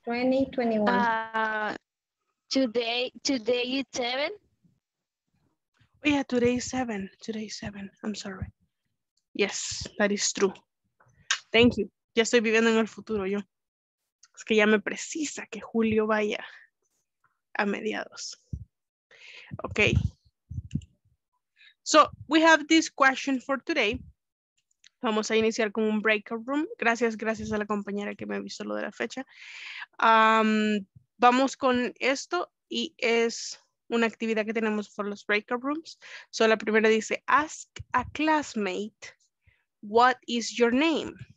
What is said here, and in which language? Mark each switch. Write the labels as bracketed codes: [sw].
[en] 2021. Today is 7? Oh, yeah, today is 7. I'm sorry. Yes, that is true. Thank you. [es] Ya estoy viviendo en el futuro yo. Es que ya me precisa que Julio vaya a mediados. [en] Okay. So, we have this question for today. [es] Vamos a iniciar con un breakout room. Gracias, gracias a la compañera que me avisó lo de la fecha. Vamos con esto y es una actividad que tenemos for los breakout rooms. [en] So [es] la primera dice, [en] ask a classmate, what is your name?